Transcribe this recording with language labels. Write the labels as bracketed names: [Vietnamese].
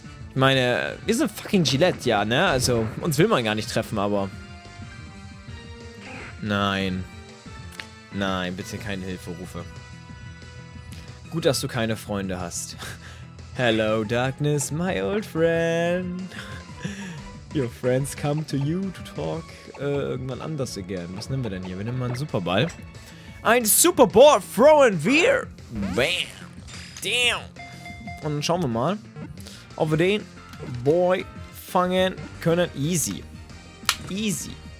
[German] Ich meine, wir sind fucking Gillette, ja, ne? Also, uns will man gar nicht treffen, aber... Nein. Nein, bitte keine Hilferufe. Gut, dass du keine Freunde hast. [English] Hello, Darkness, my old friend. Your friends come to you to talk [German] irgendwann anders [English] again. [German] Was nehmen wir denn hier? Wir nehmen mal einen Superball. Ein Superball [English] throwing [German] wir! Bam! [English] Damn! [German] Und dann schauen wir mal, ob wir den Boy fangen können. [English] Easy. Easy.